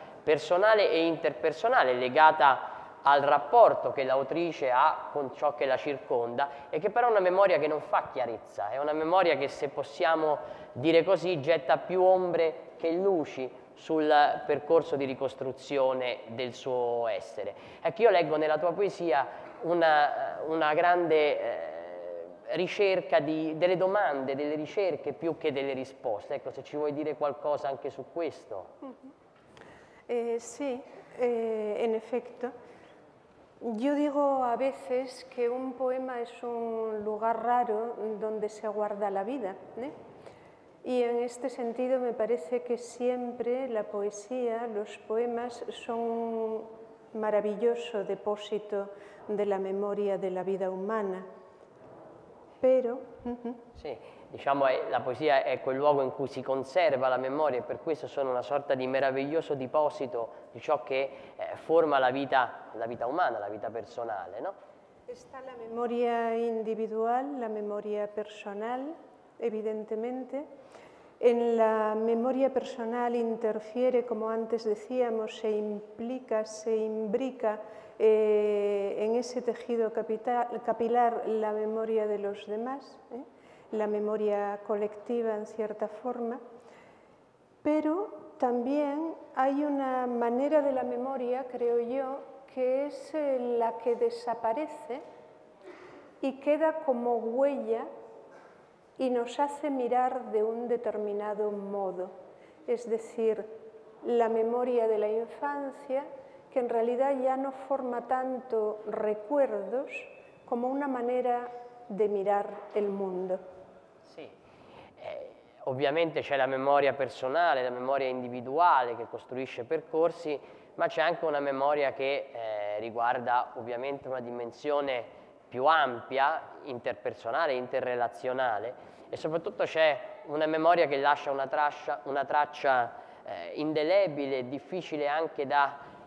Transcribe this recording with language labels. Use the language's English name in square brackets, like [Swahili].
[Italian] personale e interpersonale legata al rapporto che l'autrice ha con ciò che la circonda e che però è una memoria che non fa chiarezza, è una memoria che, se possiamo dire così, getta più ombre che luci sul percorso di ricostruzione del suo essere. Ecco, io leggo nella tua poesia una grande ricerca delle domande, delle ricerche più che delle risposte. Ecco, se ci vuoi dire qualcosa anche su questo. [Spanish] Sí, en efecto. Yo digo a veces que un poema es un lugar raro donde se guarda la vida, Y en este sentido me parece que siempre la poesía, los poemas, son un maravilloso depósito de la memoria de la vida humana. Pero. [Italian] Sì, diciamo la poesia è quel luogo in cui si conserva la memoria e per questo sono una sorta di meraviglioso deposito di ciò che forma la vita umana, la vita personale, no? [Spanish] Está la memoria individual, la memoria personal, evidentemente. En la memoria personal interfiere, como antes decíamos, se implica, se imbrica en ese tejido capilar la memoria de los demás, La memoria colectiva, en cierta forma. Pero también hay una manera de la memoria, creo yo, que es la que desaparece y queda como huella y nos hace mirar de un determinado modo. Es decir, la memoria de la infancia, que en realidad ya no forma tanto recuerdos, [Italian] come una maniera di mirar il mondo. Sì, ovviamente c'è la memoria personale, la memoria individuale che costruisce percorsi, ma c'è anche una memoria che riguarda ovviamente una dimensione più ampia, interpersonale, interrelazionale, e soprattutto c'è una memoria che lascia una traccia indelebile, difficile anche da